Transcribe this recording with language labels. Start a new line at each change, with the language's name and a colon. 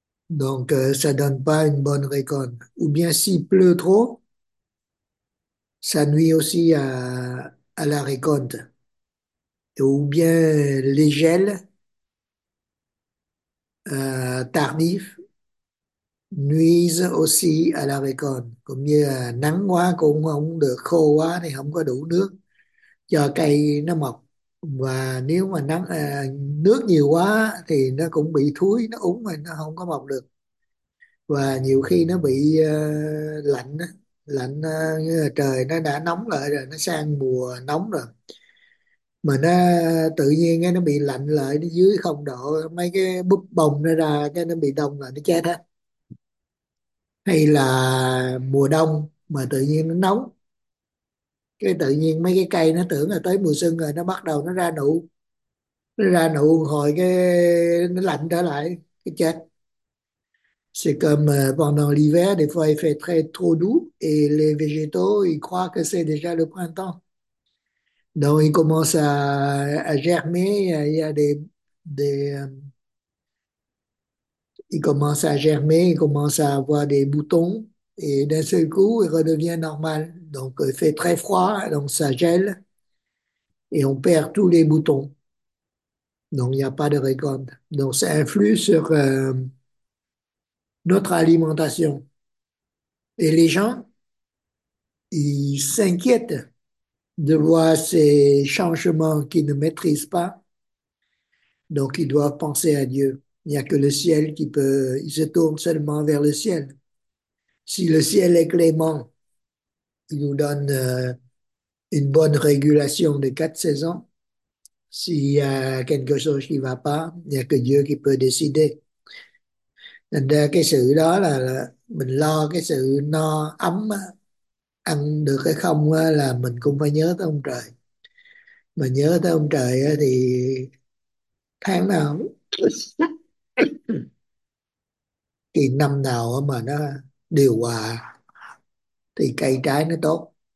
French: Donc, ça donne pas une bonne récolte. Ou bien s'il pleut trop, ça nuit aussi à la récolte. Ou bien les gels tardifs nuisent aussi à la récolte, comme
Vietnamese: như là nắng quá cũng không được, khô quá thì không có đủ nước cho cây nó mọc, và nếu mà nắng nước nhiều quá thì nó cũng bị thối, nó úng rồi nó không có mọc được, và nhiều khi nó bị lạnh lạnh như là trời nó đã nóng lại rồi, nó sang mùa nóng rồi mà nó tự nhiên cái nó bị lạnh lại, nó dưới 0 độ, mấy cái búp bông nó ra cái nó bị đông rồi, nó chết hết. Hay là mùa đông mà tự nhiên nó nóng, cái tự nhiên mấy cái cây nó tưởng là tới mùa xuân rồi, nó bắt đầu nó ra nụ, nó ra nụ hồi cái nó lạnh trở lại, cái chết.
French: C'est comme pendant l'hiver, des fois il fait très trop doux et les végétaux, ils croient que c'est déjà le printemps. Donc ils commencent à germer, il y a ils commencent à germer, ils commencent à avoir des boutons et d'un seul coup, ils redeviennent normaux. Donc il fait très froid, donc ça gèle et on perd tous les boutons. Donc il n'y a pas de récolte. Donc ça influe sur notre alimentation. Et les gens, ils s'inquiètent de voir ces changements qu'ils ne maîtrisent pas. Donc ils doivent penser à Dieu. Il n'y a que le ciel qui peut, il se tourne seulement vers le ciel. Si le ciel est clément, il nous donne une bonne régulation des quatre saisons. S'il y a quelque chose qui ne va pas, il n'y a que Dieu qui peut décider.
Vietnamese: Nên cái sự đó là mình lo cái sự no ấm, ăn được hay không là mình cũng phải nhớ tới ông trời. Mà nhớ tới ông trời thì tháng nào thì năm nào mà nó điều hòa thì cây trái nó tốt.